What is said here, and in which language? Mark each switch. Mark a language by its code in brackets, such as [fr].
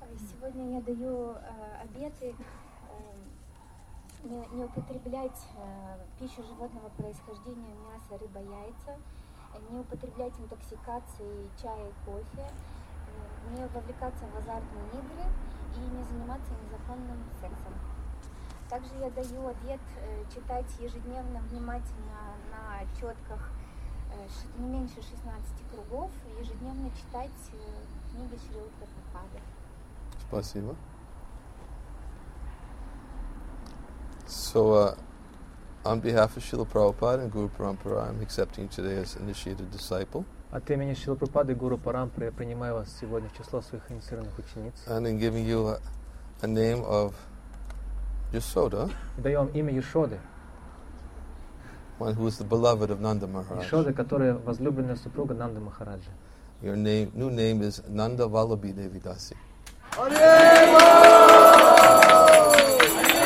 [ru] Сегодня я даю обеты не употреблять пищу животного происхождения, мясо, рыба, яйца, не употреблять интоксикации чая и кофе, не вовлекаться в азартные игры и не заниматься незаконным сексом. Также я даю обет читать ежедневно внимательно на четках не меньше 16 кругов и ежедневно читать книги Шрилы Прабхупады. Спасибо. [en] So, on behalf of Srila Prabhupada and Guru Parampara, I'm accepting today as initiated disciple. [ru] От имени Шрилы Прабхупады и Гуру Парампары я принимаю вас сегодня в число своих инициированных учениц. [en] And I'm giving you a name of Yashoda. [ru] Даю вам имя Яшоды. [en] One who is the beloved of Nanda Maharaj. [ru] Яшода, которая возлюбленная супруга Нанды Махараджи. [en] Your name, new name is Nanda Vallabhi Devi Dasi. Hare Krishna!